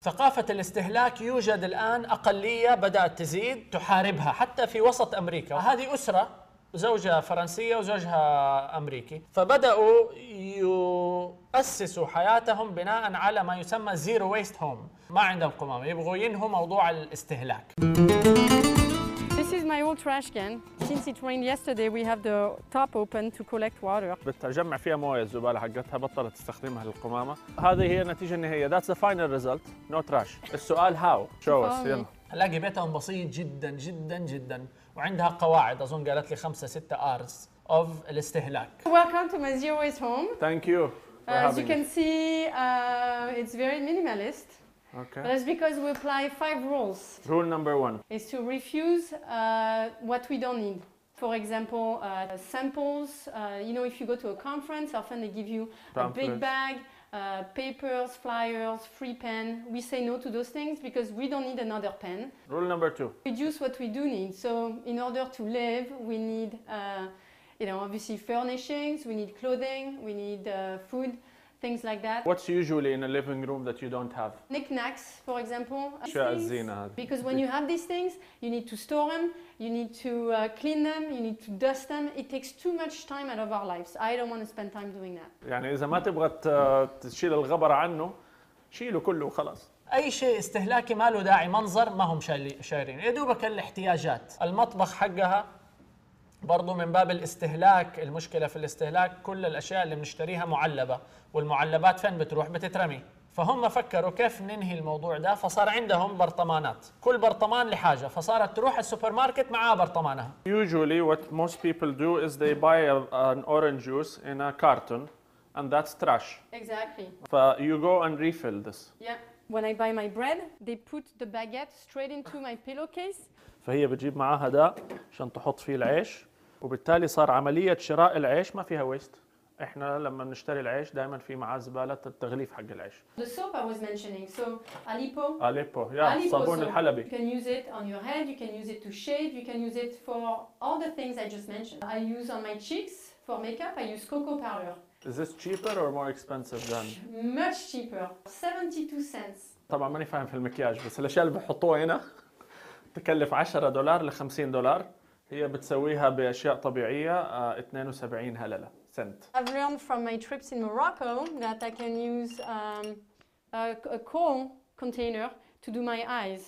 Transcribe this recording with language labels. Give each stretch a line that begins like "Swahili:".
Arabic: ثقافة الاستهلاك يوجد الآن أقلية بدأت تزيد تحاربها حتى في وسط أمريكا. هذه أسرة زوجها فرنسية وزوجها أمريكي، فبدأوا يؤسسوا حياتهم بناء على ما يسمى زيرو ويست هوم، ما عندهم قمامة، يبغوا ينهوا موضوع الاستهلاك.
English: My old trash can. Since it rained yesterday, we have the top open to collect water.
Arabic: بتجمع فيها موية الزبالة حقتها، بطلت تستخدمها للقمامة. هذه هي النتيجة النهائية.
English: That's the final result. No trash. السؤال how? Show us. يلا.
Arabic: هلاقي بيتهم بسيط جدا جدا جدا، وعندها قواعد. أظن قالت لي
English: 5-6 hours of
Arabic: الاستهلاك.
English: Welcome to my zero waste home. Thank you. As you can see, it's very minimalist. Okay. But that's because we apply 5 rules. Rule number 1 is to refuse what we don't need. For example, samples. You know, if you go to a conference, often they give you a big bag, papers, flyers, free pen. We say no to those things because we don't need another pen. Rule number 2 reduce what we do need. So, in order to live, we need, obviously furnishings, we need clothing, we need food. Things like that. What's usually in a living room that you don't have? Knickknacks, for example. Because when you have these things, you need to store them, you need to clean them, you need to dust them. It takes too much time out of our lives. I don't want to spend time doing that.
Arabic: يعني إذا ما تبغى تشيل الغبر عنه، شيله كله خلاص. أي شيء استهلاكي ما له داعي، منظر ما هم شايرين. يدوبك الاحتياجات. المطبخ حقها برضو من باب الاستهلاك، المشكلة في الاستهلاك كل الأشياء اللي بنشتريها معلبة، والمعلبات فين بتروح؟ بتترمي. فهم فكروا كيف ننهي الموضوع ده، فصار عندهم برطمانات، كل برطمان لحاجة، فصارت تروح السوبر ماركت معها برطمانها.
English: Usually what most people do is they buy an orange juice in a carton and that's trash. Exactly. So you go and refill this. Yeah. When I buy my bread, they put the baguette straight into my pillowcase.
Arabic: فهي بتجيب معاها ده عشان تحط فيه العيش، وبالتالي صار عملية شراء العيش ما فيها ويست. احنا لما نشتري العيش دائما في معاه زبالة التغليف حق العيش.
English: The soap I was mentioning, so Aleppo. Yeah, Aleppo صابون soap.
Arabic: الحلبي.
English: You can use it on your head, you can use it to shave, you can use it for all the things I just mentioned. I use on my cheeks for makeup, I use cocoa powder. Is this cheaper or more expensive than? Much cheaper, 72 cents.
Arabic: طبعا ماني فاهم في المكياج، بس الاشياء اللي بحطوها هنا تكلف 10 دولار ل 50 دولار، هي بتسويها باشياء طبيعيه 72 هلله سنت.
English: I've learned from my trips in Morocco that I can use a coal container to do my eyes.